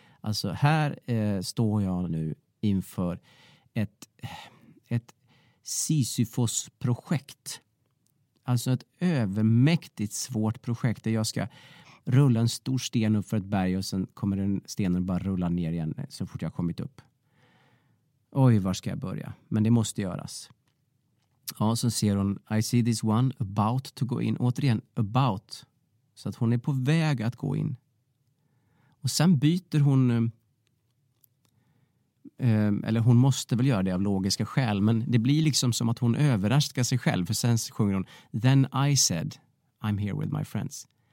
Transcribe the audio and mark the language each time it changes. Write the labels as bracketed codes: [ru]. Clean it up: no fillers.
[sv] Alltså här står jag nu inför ett Sisyfos-projekt. Alltså ett övermäktigt svårt projekt där jag ska rulla en stor sten upp för ett berg och sen kommer den stenen bara rulla ner igen så fort jag har kommit upp. Oj, var ska jag börja? Men det måste göras. Ja, så ser hon, [en] I see this one about to go in. [sv] Återigen, about. Så att hon är på väg att gå in. Och sen byter hon, eller hon måste väl göra det av logiska skäl, men det blir liksom som att hon överraskar sig själv, för sen sjunger hon, [en] then I said, I'm here with my friends.